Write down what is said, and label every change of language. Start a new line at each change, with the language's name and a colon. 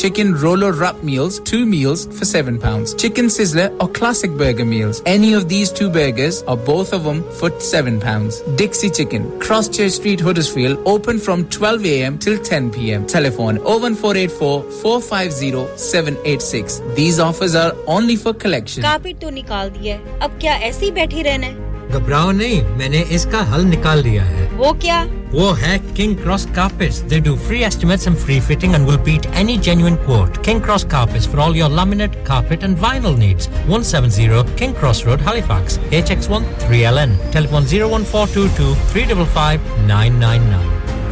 English: Chicken roller wrap meals, two meals for £7. Chicken sizzler or classic burger meals, any of these two burgers or both of them for £7. Dixie Chicken, Cross Church Street, Huddersfield, open from 12 a.m. till 10 p.m. Telephone 01484-450-786. These offers are only for collection.
Hindi: Carpet तो निकाल दिया है. अब क्या ऐसे ही बैठे रहना है? घबराओ नहीं. मैंने इसका हल निकाल दिया है. वो क्या? Wo hai
English: King Cross Carpets. They do free estimates and free fitting and will beat any genuine quote. King Cross Carpets for all your laminate, carpet and vinyl needs. 170 King Cross Road, Halifax. HX1 3LN. Telephone 01422-355-999.